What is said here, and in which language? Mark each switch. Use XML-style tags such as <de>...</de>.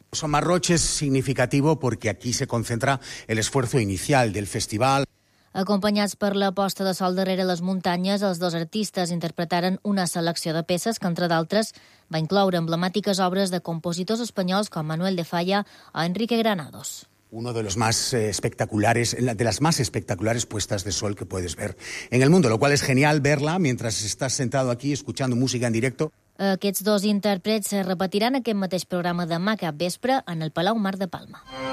<es>Son Marroig</es> <ca>és</ca> <es>significativo porque aquí se concentra el esfuerzo inicial del festival.</es> <ca>Acompanyats per la posta de sol darrere les muntanyes, els dos artistes interpretaren una selecció de peces que, entre d'altres, va incloure emblemàtiques obres de compositors espanyols com Manuel de Falla o Enrique Granados.</ca> <es>Uno de los más espectaculares, de las más espectaculares puestas de sol que puedes ver en el mundo, lo cual es genial verla mientras estás sentado aquí escuchando música en directo.</es> <ca>Aquests dos intèrprets repetiran aquest mateix programa demà cap vespre en el Palau Mar de Palma.</ca>